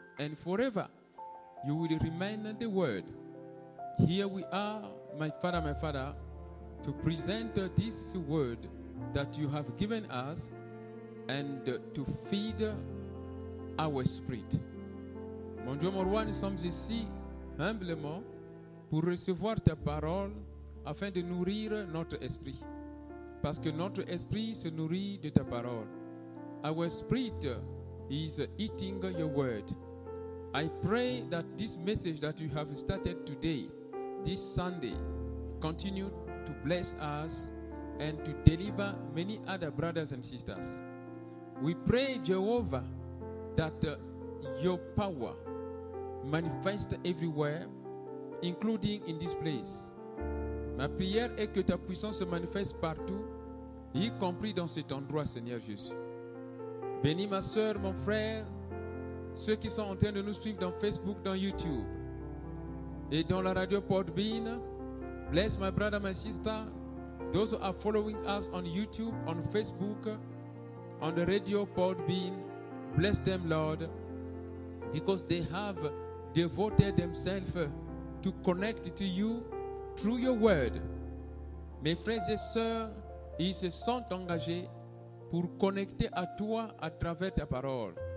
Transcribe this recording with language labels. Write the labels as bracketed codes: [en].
[en] And forever, you will remain the Word. Here we are, my Father, to present this Word that you have given us and to feed our spirit. [fr] Mon Dieu, mon roi, nous sommes ici humblement pour recevoir ta parole afin de nourrir notre esprit. Parce que notre esprit se nourrit de ta parole. [en] Our spirit is eating your word. I pray that this message that you have started today, this Sunday, continue to bless us and to deliver many other brothers and sisters. We pray, Jehovah, that your power manifest everywhere, including in this place. [fr] Ma prière est que ta puissance se manifeste partout, y compris dans cet endroit, Seigneur Jésus. Bénis ma soeur, mon frère, ceux qui sont en train de nous suivre dans Facebook, dans YouTube et dans la radio Podbean. [en] Bless my brother, my sister, those who are following us on YouTube, on Facebook, on the radio Podbean. Bless them, Lord, because they have devoted themselves to connect to you through your word. [fr] Mes frères et sœurs, ils se sont engagés pour connecter à toi à travers ta parole.